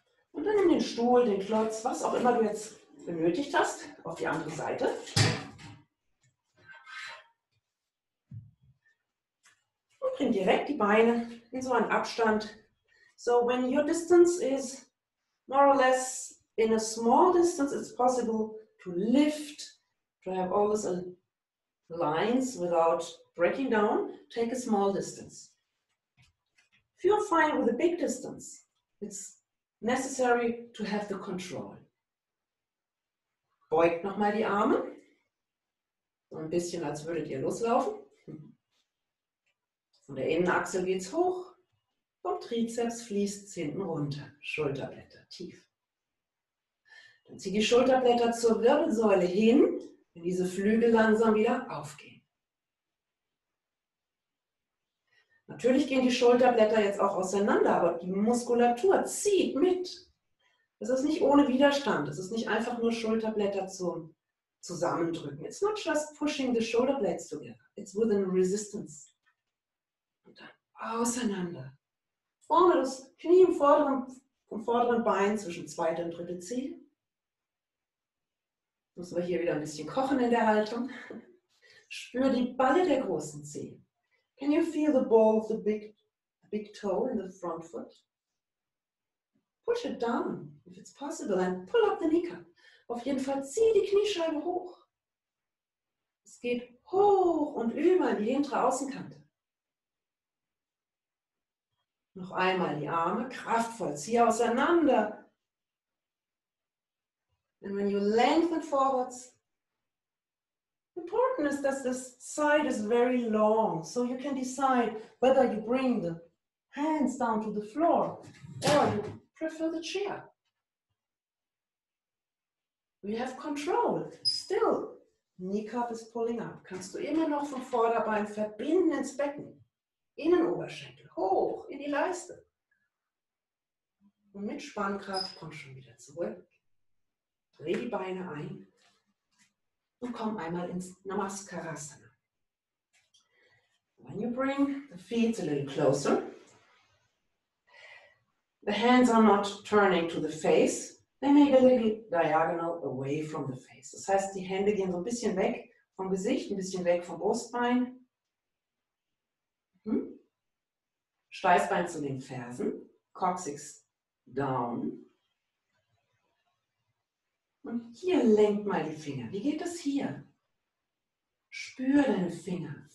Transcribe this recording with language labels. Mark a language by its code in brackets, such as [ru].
[de] Und dann nimm den Stuhl, den Klotz, was auch immer du jetzt benötigt hast, auf die andere Seite. Und bring direkt die Beine in so einen Abstand. [en] So when your distance is more or less in a small distance, it's possible to lift, to have all these lines without breaking down, take a small distance. If you're fine with a big distance, it's necessary to have the control. [de] Beugt nochmal die Arme. So ein bisschen, als würdet ihr loslaufen. Von der Innenachse geht's hoch. Vom Trizeps fließt es hinten runter. Schulterblätter tief. Dann zieh die Schulterblätter zur Wirbelsäule hin, wenn diese Flügel langsam wieder aufgehen. Natürlich gehen die Schulterblätter jetzt auch auseinander, aber die Muskulatur zieht mit. Es ist nicht ohne Widerstand. Es ist nicht einfach nur Schulterblätter zum Zusammendrücken. [en] It's not just pushing the shoulder blades together. It's within resistance. [de] Und dann auseinander. Vorne das Knie im vorderen Bein zwischen zweite und dritte Zehe. Muss man hier wieder ein bisschen kochen in der Haltung. Spür die Balle der großen Zehe. [en] Can you feel the ball of the big toe in the front foot? Push it down, if it's possible, and pull up the kneecap. [de] Auf jeden Fall zieh die Kniescheibe hoch. Es geht hoch und über die hintere Außenkante. Noch einmal die Arme kraftvoll, zieh auseinander. [en] And when you lengthen forwards, important is that this side is very long, so you can decide whether you bring the hands down to the floor or you prefer the chair. We have control. Still, kneecap is pulling up. [de] Kannst du immer noch vom Vorderbein verbinden ins Becken, Innenoberschenkel, hoch in die Leiste. Und mit Spannkraft kommst schon wieder zurück. Dreh die Beine ein. Und komm einmal ins Namaskarasana. [en] When you bring the feet a little closer, the hands are not turning to the face, they make a little diagonal away from the face. [de] Das heißt, die Hände gehen so ein bisschen weg vom Gesicht, ein bisschen weg vom Brustbein. Steißbein zu den Fersen, [en] Coccyx down. [de] Und hier lenkt mal die Finger. Wie geht das hier? Spür deine Finger.